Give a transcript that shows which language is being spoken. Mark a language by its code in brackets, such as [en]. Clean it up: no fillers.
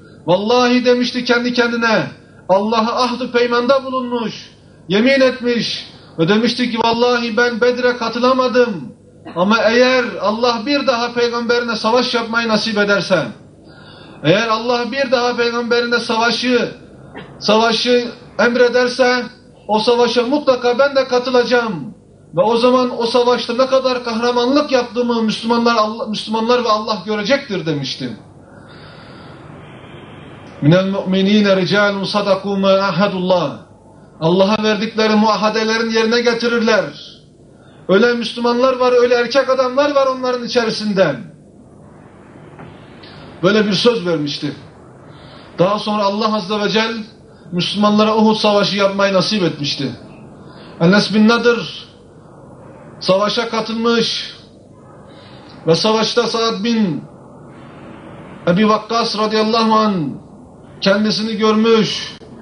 [tr] Vallahi demişti kendi kendine, Allah'a ahd-ı peymanda bulunmuş, yemin etmiş ve demişti ki vallahi ben Bedir'e katılamadım ama eğer Allah bir daha peygamberine savaş yapmayı nasip ederse, eğer Allah bir daha peygamberine savaşı emrederse o savaşa mutlaka ben de katılacağım ve o zaman o savaşta ne kadar kahramanlık yaptığımı Müslümanlar ve Allah görecektir demişti. [ar] مِنَ الْمُؤْمِن۪ينَ رِجَالٌ صَدَقُوا مَا اَحَدُ اللّٰهِ [tr] Allah'a verdikleri muahadelerini yerine getirirler. Öyle Müslümanlar var, öyle erkek adamlar var onların içerisinden. Böyle bir söz vermişti. Daha sonra Allah Azze ve Celle Müslümanlara Uhud Savaşı yapmayı nasip etmişti. Enes bin Nadır savaşa katılmış ve savaşta Sa'd bin Ebi Vakkas radıyallahu anh kendisini görmüş.